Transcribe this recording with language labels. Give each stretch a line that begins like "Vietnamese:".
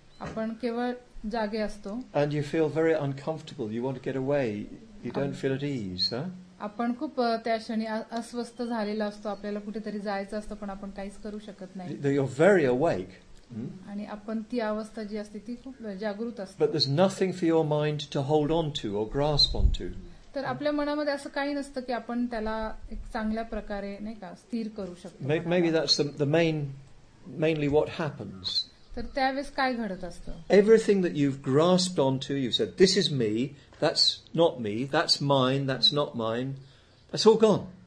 Marathi: आपण केवळ जागे असतो.
English: And you feel very uncomfortable, you want get away, you don't feel at ease.
Marathi: आपण खूप त्या क्षणी अस्वस्थ झालेला असतो, आपल्याला कुठेतरी जायचं असतं पण आपण काहीच करू शकत नाही.
English: you are very awake
Marathi: आणि आपण ती अवस्था जी असते ती खूप जागृत असते.
English: But there is nothing for your mind to hold on to or grasp on to.
Marathi: तर आपल्या मनामध्ये असं काही नसतं की आपण त्याला एक चांगल्या प्रकारे नाही का स्थिर करू शकतो.
English: Maybe that's the main mainly what happens.
Marathi: तर त्यावेळेस काय घडत असतं?
English: Everything that you grasped on to, you said this is me, that's not me, that's mine, that's not mine, that's all gone.